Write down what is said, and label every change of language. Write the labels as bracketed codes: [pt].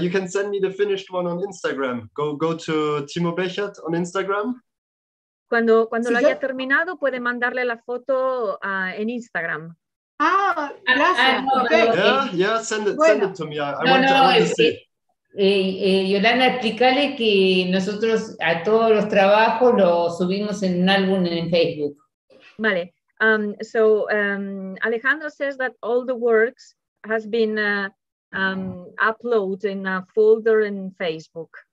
[en] you can send me the finished one on Instagram. Go to Timo Bechert on Instagram. [es] Cuando lo haya terminado, puede mandarle la foto en Instagram. Ah, gracias. [en] Send it to me. [es] Yolanda, explícale que nosotros a todos los trabajos los subimos en un álbum en Facebook. Vale. [en] Alejandro says that all the works has been uploaded in a folder in Facebook.